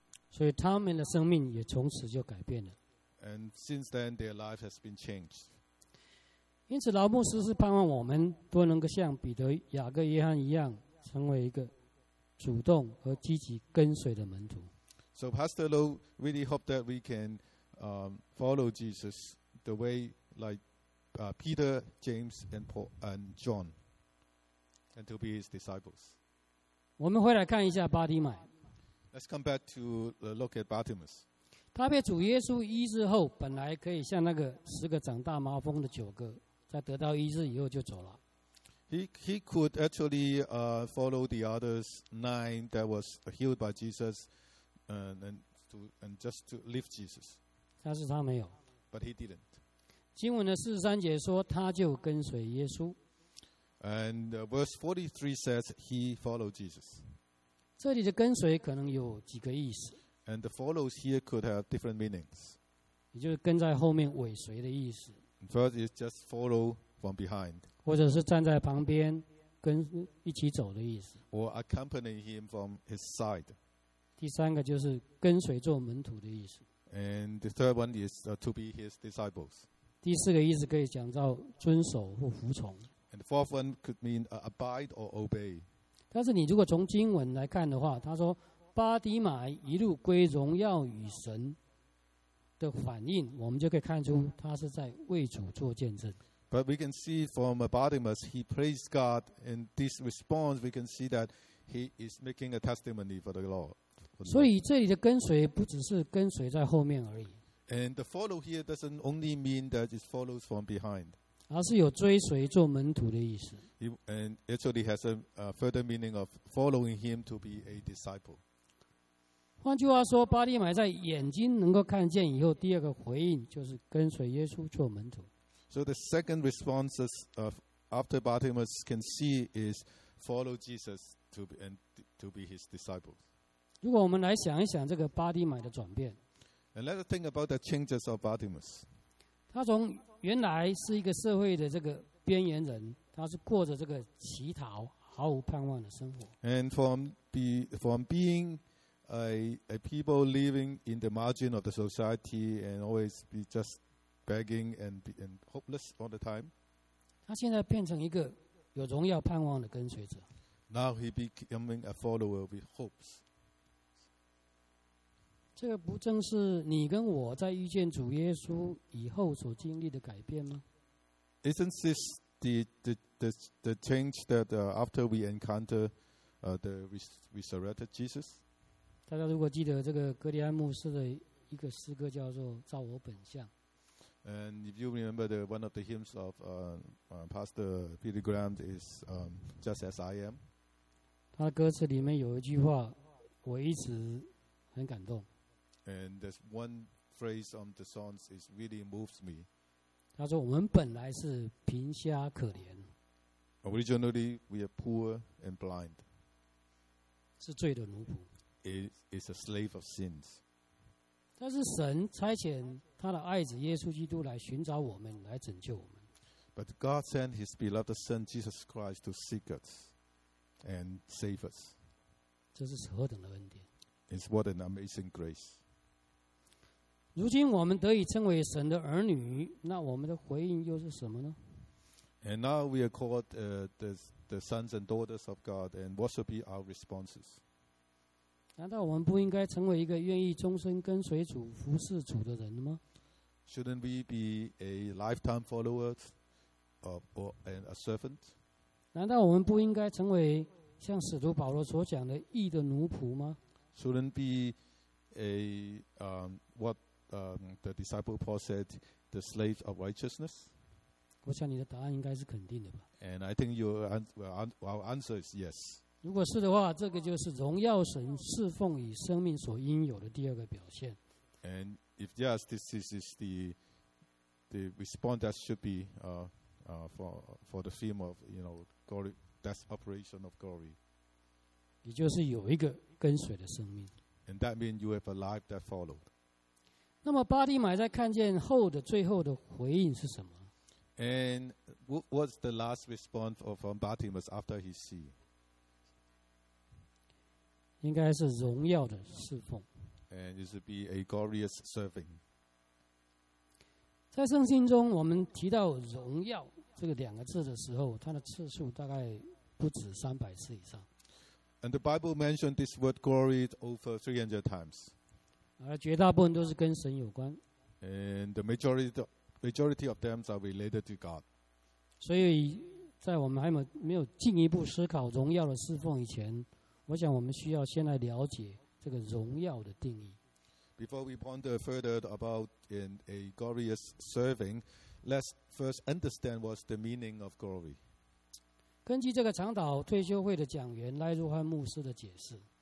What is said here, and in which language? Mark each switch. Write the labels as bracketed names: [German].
[Chinese] 所以他们的生命也从此就改变了。 [English] And since then, their life has been changed. [Chinese] 因此，老牧师是盼望我们都能够像彼得、雅各、约翰一样，成为一个主动和积极跟随的门徒。 [English] So Pastor Lo really hope that we can follow Jesus the way like Peter, James, and Paul, and John, and to be his disciples. [Chinese] 我们回来看一下巴提买。 [English] Let's come back to look at Bartimaeus. [Chinese] 他被主耶稣医治后，本来可以像那个十个长大麻风的九个，在得到医治以后就走了。 [English] He could actually follow the others nine that was healed by Jesus. And just to leave Jesus. [Chinese] 但是他没有。 [English] But he didn't. [Chinese] 经文的四十三节说，他就跟随耶稣。 [English] And verse 43 says he followed Jesus. [Chinese] 这里的跟随可能有几个意思。 [English] And the follows here could have different meanings. [Chinese] 也就是跟在后面尾随的意思。 [English] First is just follow from behind. [Chinese] 或者是站在旁边跟一起走的意思。 [English] Or accompany him from his side. [Chinese] 第三个就是跟随做门徒的意思。 [English] And the third one is to be his disciples. [Chinese] 第四个意思可以讲到遵守或服从。 [English] And the fourth one could mean abide or obey. [Chinese] 但是你如果从经文来看的话，他说巴迪买一路归荣耀与神的反应，我们就可以看出他是在为主做见证。 [English] But we can see from Bartimaeus, he praised God, and this response we can see that he is making a testimony for the Lord. [Chinese] 所以这里的跟随不只是跟随在后面而已。 [English] And the follow here doesn't only mean that it follows from behind. [Chinese] 而是有追随做门徒的意思。 [English] And actually has a further meaning of following him to be a disciple. [Chinese] 换句话说，巴利买在眼睛能够看见以后，第二个回应就是跟随耶稣做门徒。 [English] So the second response of after Bartimaeus can see is follow Jesus to be, and to be his disciples. [Chinese] 如果我们来想一想这个巴利买的转变。 [English] And let us think about the changes of Bartimaeus. [Chinese] 他从原来是一个社会的这个边缘人，他是过着这个乞讨、毫无盼望的生活。 [English] And from being a people living in the margin of the society and always be just begging and hopeless all the time. [Chinese] 他现在变成一个有荣耀盼望的跟随者。 [English] Now he becoming a follower with hopes. [Chinese] 这个不正是你跟我在遇见主耶稣以后所经历的改变吗？ [English] Isn't this the change that after we encounter the resurrected Jesus? [Chinese] 大家如果记得这个格里安牧师的一个诗歌叫做《照我本相》。 [English] And if you remember the one of the hymns of Pastor Billy Graham is "Just as I am." [Chinese] 他的歌词里面有一句话，我一直很感动。 [English] And there's one phrase on the songs is really moves me. [Chinese] 他说我们本来是贫瞎可怜。 [English] Originally we are poor and blind. [Chinese] 是罪的奴仆。 [English] It's a slave of sins. [Chinese] 但是神差遣他的爱子耶稣基督来寻找我们，来拯救我们。 [English] But God sent His beloved Son Jesus Christ to seek us and save us. [Chinese] 这是何等的恩典。 [English] It's what an amazing grace. [Chinese] 如今我们得以称为神的儿女，那我们的回应又是什么呢？ [English] And now we are called the sons and daughters of God, and what should be our responses? [Chinese] 难道我们不应该成为一个愿意终身跟随主、服侍主的人吗？ [English] Shouldn't we be a lifetime follower or a servant? [Chinese] 难道我们不应该成为像使徒保罗所讲的义的奴仆吗？ [English] Shouldn't be a what? The disciple Paul said, "The slave of righteousness." [Chinese] 我想你的答案应该是肯定的吧。 [English] And I think our answer is yes. [Chinese] 如果是的话，这个就是荣耀神、侍奉与生命所应有的第二个表现。 [English] And if yes, this is the response that should be for the theme of you know glory, that's operation of glory. [Chinese] 也就是有一个跟随的生命。 [English] And that means you have a life that followed. [Chinese] 那么巴利买在看见后的最后的回应是什么？ [English] And what was the last response from Bartimaeus after he see? [Chinese] 应该是荣耀的侍奉。 [English] And it should be a glorious serving. [Chinese] 在圣经中，我们提到荣耀这个两个字的时候，它的次数大概不止300次以上。 [English] And the Bible mentioned this word glory over 300 times. [Chinese] 而绝大部分都是跟神有关。 [English] And the majority of them are related to God. [Chinese] 所以在我们还没有进一步思考荣耀的侍奉以前，我想我们需要先来了解这个荣耀的定义。 [English] Before we ponder further about in a glorious serving, let's first understand what's the meaning of glory. [Chinese] 根据这个长岛退休会的讲员赖若翰牧师的解释。